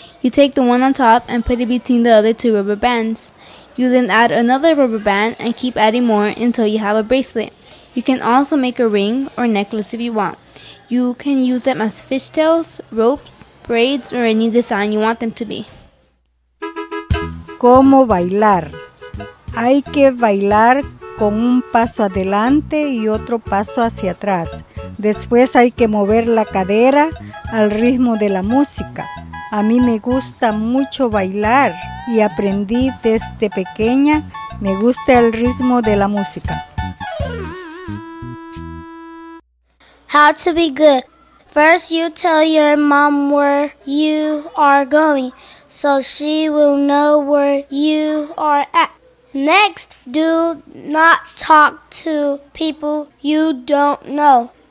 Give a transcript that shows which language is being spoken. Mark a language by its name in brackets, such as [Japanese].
[English] You take the one on top and put it between the other 2 rubber bands. You then add another rubber band and keep adding more until you have a bracelet. You can also make a ring or necklace if you want. You can use them as fishtails, ropes, braids, or any design you want them to be. [Spanish] ¿Cómo bailar? Hay que bailar con un paso adelante y otro paso hacia atrás. Después hay que mover la cadera al ritmo de la música. A mí me gusta mucho bailar y aprendí desde pequeña, me gusta el ritmo de la música. [English] How to be good. First, you tell your mom where you are going so she will know where you are at. Next, do not talk to people you don't know.